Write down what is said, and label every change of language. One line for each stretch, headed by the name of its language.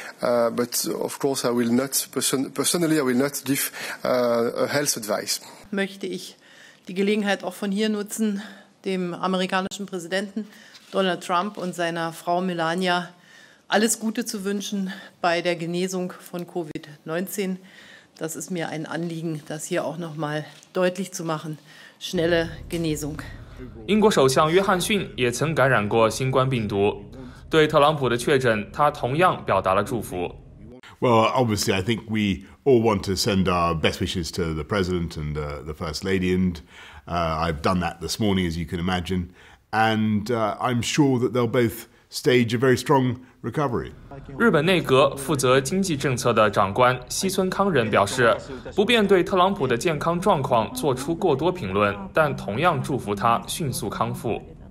English: But of course, I will not personally, I will not give a health advice.
German: Möchte ich die Gelegenheit auch von hier nutzen, dem amerikanischen Präsidenten Donald Trump und seiner Frau Melania alles Gute zu wünschen bei der Genesung von Covid-19. Das ist mir ein Anliegen, das hier auch noch mal deutlich zu machen. Schnelle Genesung.
Chinese: 英国首相约翰逊也曾感染过新冠病毒，对特朗普的确诊，他同样表达了祝福。
English: Well, obviously, I think we all want to send our best wishes to the president and the first lady, and I've done that this morning, as you can imagine, and I'm sure that they'll both stage a very strong.
Chinese: 日本内阁负责经济政策的长官西村康人表示，不便对特朗普的健康状况做出过多评论，但同样祝福他迅速康复。